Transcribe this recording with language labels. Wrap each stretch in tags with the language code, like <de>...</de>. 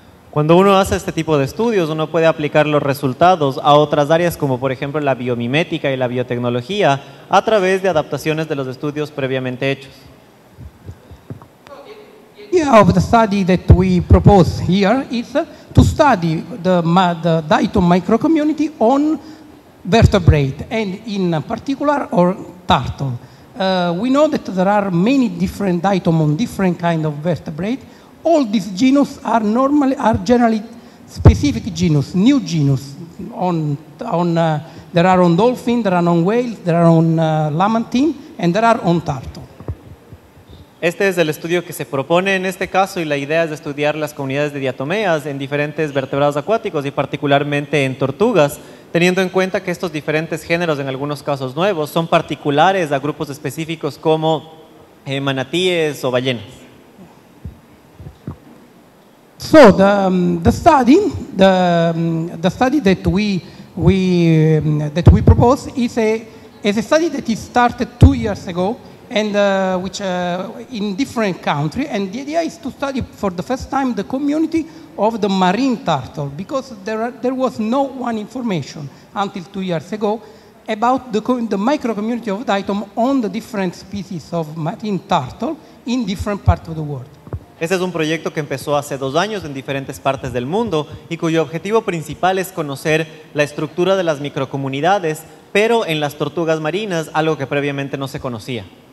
<es>Cuando uno hace este tipo de estudios, uno puede aplicar los resultados a otras áreas como, por ejemplo, la biomimética y la biotecnología a través de adaptaciones de los estudios previamente hechos.</es> <en>The idea of the study that we propose here is to study the diatom microcommunity on vertebrate, and in particular, or turtle. We know that there are many different diatomon, different kind of vertebrate. All these genus are generally specific genus, new genus. There are on dolphin, there are on whale, there are on lamantine, and there are on turtle.</en> <es>Este es el estudio que se propone en este caso, y la idea es estudiar las comunidades de diatomeas en diferentes vertebrados acuáticos y particularmente en tortugas, teniendo en cuenta que estos diferentes géneros, en algunos casos nuevos, son particulares a grupos específicos como manatíes o ballenas.</es> <en>So the study that we propose is a study that is started 2 years ago and which in different country, and the idea is to study for the first time the community of the marine turtle, because there was no one information until 2 years ago about the micro community of diatom on the different species of marine turtle in different parts of the world.</en> <es>Este es un proyecto que empezó hace 2 años en diferentes partes del mundo y cuyo objetivo principal es conocer la estructura de las microcomunidades, pero en las tortugas marinas, algo que previamente no se conocía.</es>